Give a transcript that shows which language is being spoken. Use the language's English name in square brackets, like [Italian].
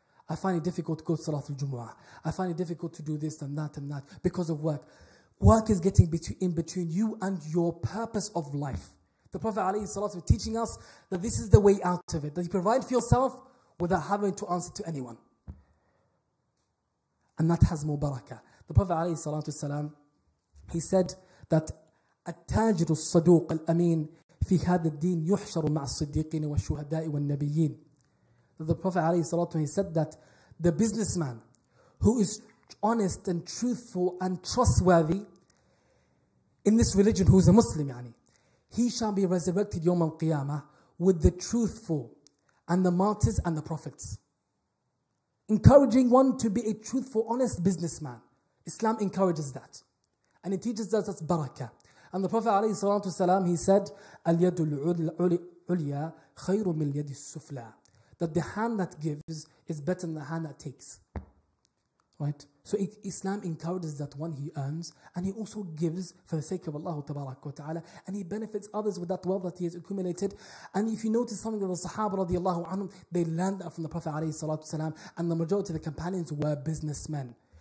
[English] I find it difficult to go to Salatul Jumu'ah. I find it difficult to do this and that and that because of work. Work is getting in between you and your purpose of life. The Prophet alayhi salatu was teaching us that this is the way out of it. That you provide for yourself without having to answer to anyone. And that has more barakah. The Prophet alayhi salatu wasalam, he said that [Arabic] التاجر الصدوق الأمين في هذا الدين يحشر مع الصديقين والشهداء والنبيين. [English] The Prophet [Arabic] عليه الصلاة والسلام, [English] he said that the businessman who is honest and truthful and trustworthy in this religion, who is a Muslim, يعني, he shall be resurrected [Arabic] يوم القيامة [English] with the truthful and the martyrs and the prophets. Encouraging one to be a truthful, honest businessman. Islam encourages that. And it teaches us that's barakah. And the Prophet [Arabic] عليه الصلاة والسلام, [English] he said, [Arabic] اليد العليا خير من اليد السفلى. [English] That the hand that gives is better than the hand that takes. Right? So Islam encourages that one, he earns, and he also gives for the sake of Allah Tabarak wa Ta'ala, and he benefits others with that wealth that he has accumulated. And if you notice something of the Sahaba radiallahu anhum, they learned that from the Prophet alayhi salatu wasalam, and the majority of the companions were businessmen.